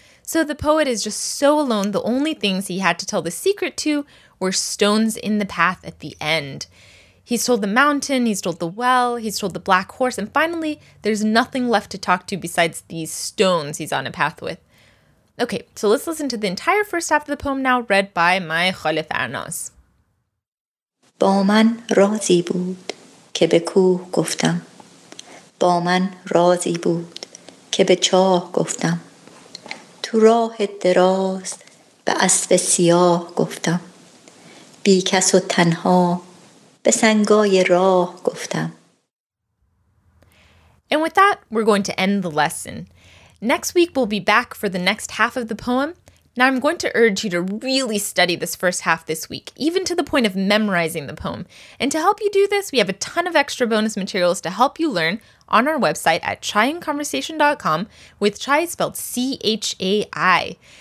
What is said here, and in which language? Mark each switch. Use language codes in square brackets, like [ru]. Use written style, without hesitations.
[en] So the poet is just so alone, the only things he had to tell the secret to were stones in the path at the end. He's told the mountain, he's told the well, he's told the black horse, and finally, there's nothing left to talk to besides these stones he's on a path with. Okay, so let's listen to the entire first half of the poem now, read by my خالف ارناز. [fa] با من رازی بود که به کوه گفتم. با من رازی بود که به چاه گفتم. تو راه دراز به اسب سیاه گفتم. بی کس و تنها به سنگای راه گفتم. [en] And with that, we're going to end the lesson. Next week, we'll be back for the next half of the poem. Now, I'm going to urge you to really study this first half this week, even to the point of memorizing the poem. And to help you do this, we have a ton of extra bonus materials to help you learn on our website at chaiinconversation.com with chai spelled C-H-A-I.